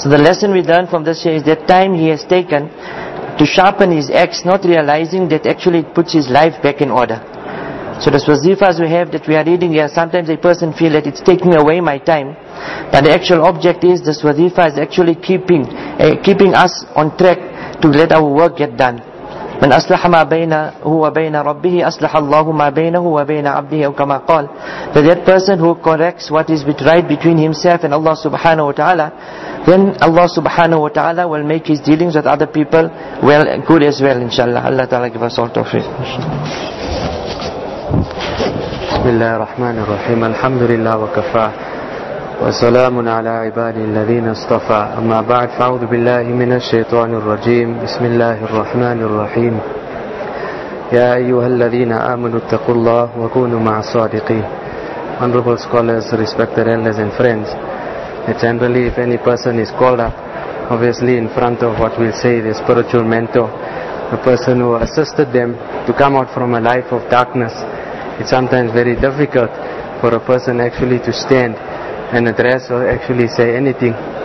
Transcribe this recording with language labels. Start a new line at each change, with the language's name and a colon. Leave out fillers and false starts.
English: So the lesson we learn from this here is that time he has taken to sharpen his axe, not realizing that actually it puts his life back in order. So the wazifas we have that we are reading here, sometimes a person feels that it's taking away my time, but the actual object is the wazifa is actually keeping us on track to let our work get done.
Arabic: من أصلح ما بينه وبين ربه أصلح الله ما بينه وبين عبده أو كما قال.
English: That person who corrects what is right between himself and Allah subhanahu wa ta'ala, then Allah subhanahu wa ta'ala will make his dealings with other people well and good as well, inshallah. Allah ta'ala give us all tawfiq.
Arabic: بسم الله الرحمن الرحيم الحمد لله وكفى وسلام على عباد الذين اصطفى أما بعد فأعوذ بالله من الشيطان الرجيم بسم الله الرحمن الرحيم يا أيها الذين آمنوا اتقوا الله وكونوا مع الصادقين.
English: Honorable scholars, respected elders and friends, generally if any person is called up, obviously in front of what we'll say, the spiritual mentor, the person who assisted them to come out from a life of darkness, it's sometimes very difficult for a person actually to stand and address or actually say anything.